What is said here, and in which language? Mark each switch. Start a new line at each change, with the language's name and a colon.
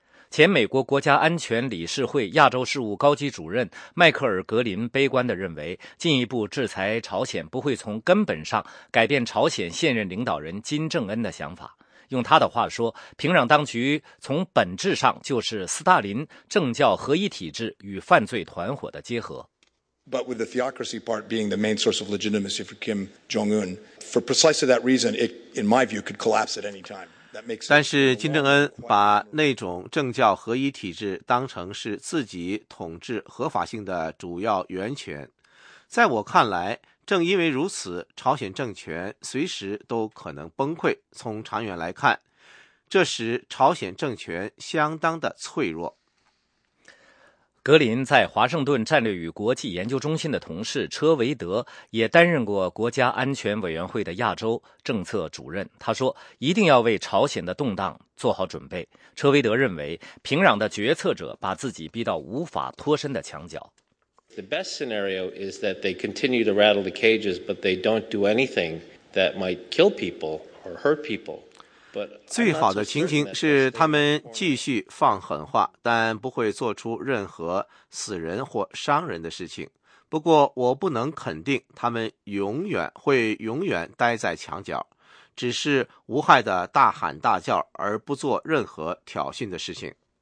Chinese: 前美国国家安全理事会亚洲事务高级主任迈克尔·格林悲观地认为，进一步制裁朝鲜不会从根本上改变朝鲜现任领导人金正恩的想法。用他的话说，平壤当局从本质上就是斯大林政教合一体制与犯罪团伙的结合。
English: But with the theocracy part being the main source of legitimacy for Kim Jong-un, for precisely that reason, it, in my view, could collapse at any time.
Chinese: 但是金正恩把那种政教合一体制当成是自己统治合法性的主要源泉。在我看来，正因为如此，朝鲜政权随时都可能崩溃。从长远来看，这时朝鲜政权相当的脆弱。格林在华盛顿战略与国际研究中心的同事车维德也担任过国家安全委员会的亚洲政策主任。他说，一定要为朝鲜的动荡做好准备。车维德认为，平壤的决策者把自己逼到无法脱身的墙角。
English: The best scenario is that they continue to rattle the cages, but they don't do anything that might kill people or hurt people.
Chinese: 最好的情形是他们继续放狠话，但不会做出任何死人或伤人的事情。不过我不能肯定他们永远待在墙角，只是无害的大喊大叫而不做任何挑衅的事情。